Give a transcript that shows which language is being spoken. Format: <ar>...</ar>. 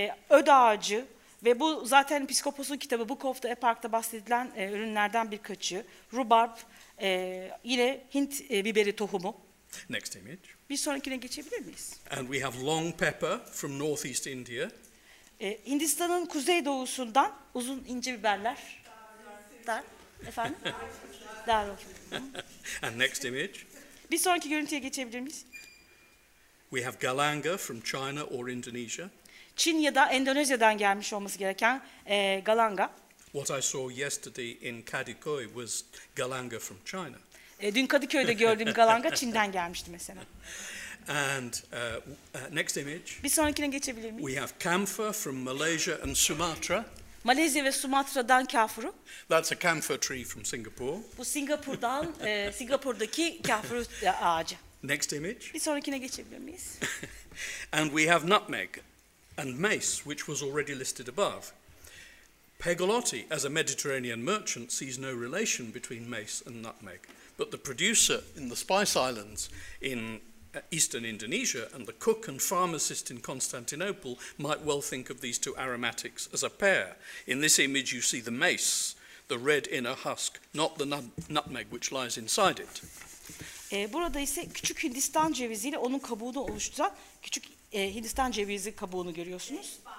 <tr>Öd ağacı ve bu zaten Piskopos'un kitabı Book of the Epoch'ta bahsedilen ürünlerden birkaçı. Rhubarb, yine Hint biberi tohumu.</tr> <en>Next image.</en> <tr>Bir sonrakine geçebilir miyiz?</tr> <en>And we have long pepper from northeast India.</en> <tr>Hindistan'ın kuzey doğusundan uzun ince biberler. Dar. Efendim? Dar olsun.</tr> <en>And next image.</en> <tr>Bir sonraki görüntüye geçebilir miyiz?</tr> <en>We have galanga from China or Indonesia.</en> <tr>Çin ya da Endonezya'dan gelmiş olması gereken galanga.</tr> <en>What I saw yesterday in Kadıköy was galanga from China.</en> <tr>Dün Kadıköy'de gördüğüm galanga Çin'den gelmişti mesela.</tr> <en>And next image.</en> <tr>Bir sonrakine geçebilir miyiz?</tr> <en>We have camphor from Malaysia and Sumatra.</en> <tr>Malezya ve Sumatra'dan kafuru.</tr> <en>That's a camphor tree from Singapore.</en> <tr>Bu Singapur'dan, Singapur'daki kafuru ağacı.</tr> <en>Next image.</en> <tr>Bir sonrakine geçebilir miyiz?</tr> <en>And we have nutmeg and mace, which was already listed above. Pegolotti, as a Mediterranean merchant, sees no relation between mace and nutmeg. But the producer in the Spice Islands in Eastern Indonesia and the cook and pharmacist in Constantinople might well think of these two aromatics as a pair. In this image you see the mace, the red inner husk, not the nutmeg which lies inside it.</en> <tr>Burada ise küçük Hindistan ceviziyle onun kabuğunu oluşturan küçük Hindistan cevizi kabuğunu görüyorsunuz.</tr>